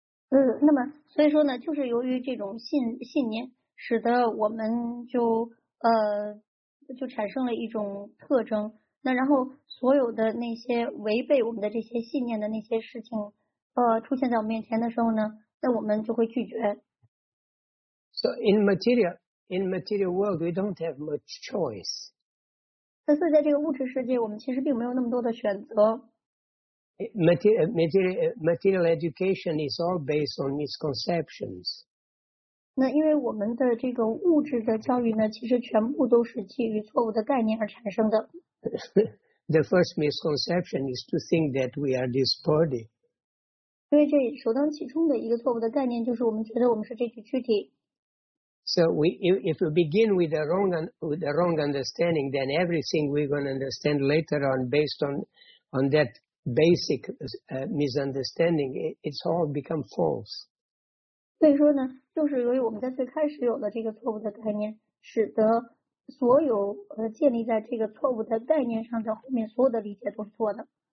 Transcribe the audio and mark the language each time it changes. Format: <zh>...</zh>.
<zh>那么所以说呢，就是由于这种信念，使得我们就产生了一种特征，那然后所有的那些违背我们的这些信念的那些事情出现在我们面前的时候呢，那我们就会拒绝。</zh> <en>So in material world we don't have much choice.</en> <zh>那所以在这个物质世界我们其实并没有那么多的选择。</zh> <en>Material education is all based on misconceptions.</en> <zh>那因为我们的这个物质的教育呢，其实全部都是基于错误的概念而产生的。</zh> <en>The first misconception is to think that we are this body.</en> <zh>因为这首当其冲的一个错误的概念就是我们觉得我们是这具躯体。</zh> <en>So if we begin with the wrong understanding, then everything we're going to understand later on based on that basic misunderstanding, it's all become false.</en> <zh>所以说呢，就是由于我们在最开始有了这个错误的概念，使得所有建立在这个错误的概念上的后面所有的理解都是错的。</zh>